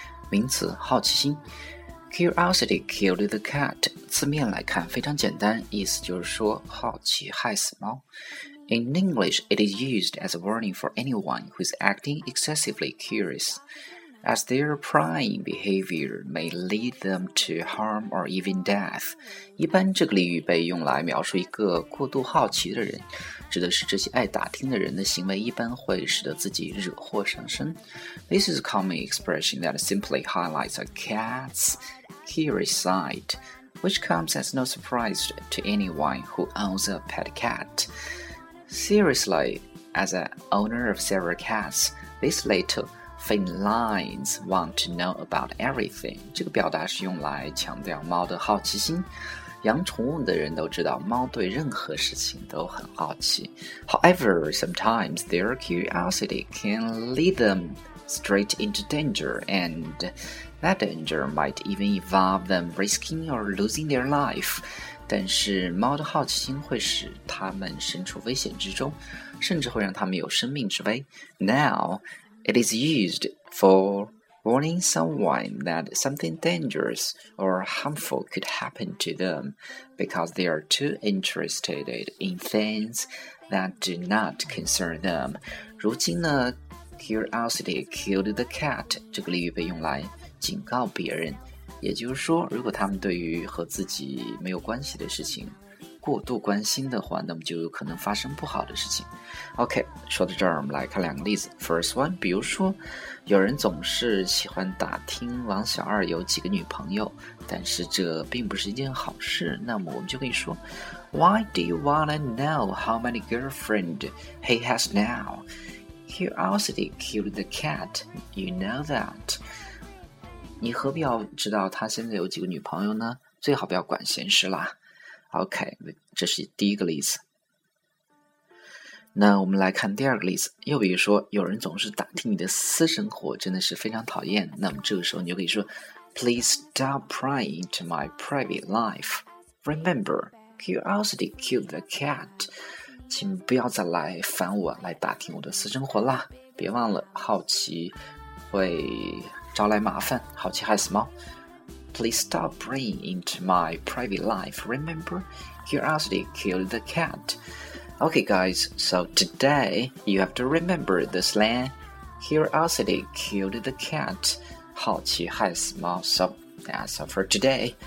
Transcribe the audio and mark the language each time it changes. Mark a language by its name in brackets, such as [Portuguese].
[Chinese] 名词好奇心 [English] Curiosity killed the cat [Chinese] 字面来看非常简单意思就是说好奇害死猫 [English] In English, it is used as a warning for anyone who is acting excessively curious as their prying behavior may lead them to harm or even death [Chinese] 一般这个俚语被用来描述一个过度好奇的人指的是这些爱打听的人的行为一般会使得自己惹祸上身。 [English] This is a common expression that simply highlights a cat's curious side, which comes as no surprise to anyone who owns a pet cat. Seriously, as an owner of several cats, this little thin lines want to know about everything. [Chinese] 这个表达是用来强调猫的好奇心。养宠物的人都知道猫对任何事情都很好奇 [English] However, sometimes their curiosity can lead them straight into danger and that danger might even involve them risking or losing their life [Chinese] 但是猫的好奇心会使他们身处危险之中甚至会让他们有生命之危 [English] Now, it is used forWarning someone that something dangerous or harmful could happen to them because they are too interested in things that do not concern them. [Chinese] 如今呢 [English] curiosity killed the cat [Chinese] 这个例语被用来警告别人也就是说如果他们对于和自己没有关系的事情过度关心的话那么就有可能发生不好的事情 OK 说到这儿我们来看两个例子 [English] First one [Chinese] 比如说有人总是喜欢打听王小二有几个女朋友但是这并不是一件好事那么我们就可以说 [English] Why do you wanna know how many girlfriend he has now? Curiosity killed the cat You know that [Chinese] 你何必要知道他现在有几个女朋友呢最好不要管闲事啦OK, 这是第一个例子。那我们来看第二个例子。又比如说有人总是打听你的私生活真的是非常讨厌。那么这个时候你就可以说 [English] Please stop prying into my private life. Remember, curiosity killed the cat. [Chinese] 请不要再来烦我来打听我的私生活啦。别忘了好奇会招来麻烦好奇害死猫。 [English] Please stop prying into my private life. Remember, curiosity killed the cat. Okay, guys, so today you have to remember the slang. Curiosity killed the cat. [Chinese] 好奇害死猫 [English] So that's all for today.